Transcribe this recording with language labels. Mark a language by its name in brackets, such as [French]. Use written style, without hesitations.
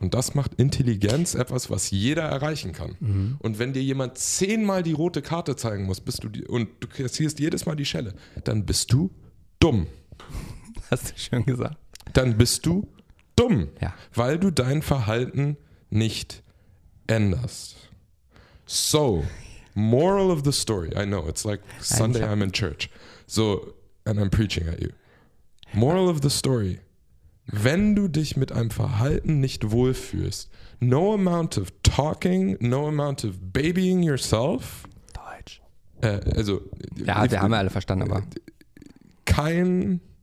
[German] Und das macht Intelligenz etwas, was jeder erreichen kann. Mhm. Und wenn dir jemand 10-mal die rote Karte zeigen muss, bist du die, und du kassierst jedes Mal die Schelle, dann bist du dumm. Hast du schon gesagt. Dann bist du dumm, ja. Weil du dein Verhalten nicht änderst. [English] So, moral of the story, I know, it's like Sunday I'm in church. So, and I'm preaching at you. Moral of the story, [German] wenn du dich mit einem Verhalten nicht wohlfühlst, [English] no amount of talking, no amount of babying yourself. [German] Deutsch. Also, ja, wir haben ja alle verstanden, aber. Kein.